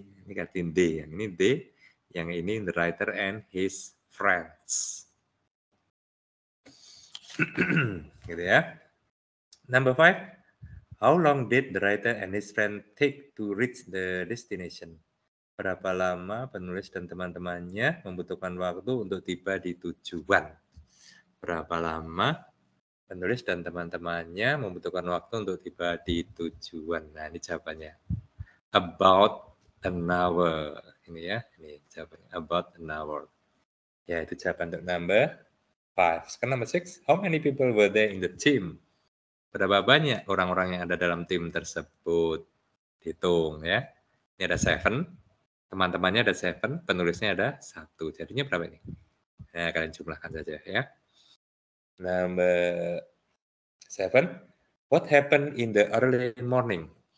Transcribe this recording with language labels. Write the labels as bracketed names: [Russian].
[Indonesian] Ini ganti D. Yang ini D. Yang ini [English] the writer and his friends. [Indonesian] Gitu ya. Number 5. [English] How long did the writer and his friend take to reach the destination? [Indonesian] Berapa lama penulis dan teman-temannya membutuhkan waktu untuk tiba di tujuan? Berapa lama penulis dan teman-temannya membutuhkan waktu untuk tiba di tujuan? Nah, ini jawabannya. [English] About an hour. [Indonesian] Ini ya, ini jawabannya. [English] About an hour. [Indonesian] Ya, itu jawaban untuk number 5. Sekarang number 6. [English] How many people were there in the team? [Indonesian] Berapa banyak orang-orang yang ada dalam tim tersebut? Hitung ya. Ini ada 7. Teman-temannya ada 7. Penulisnya ada 1. Jadinya berapa ini? Nah, kalian jumlahkan saja ya. [English] Number 7. What happened in the early morning?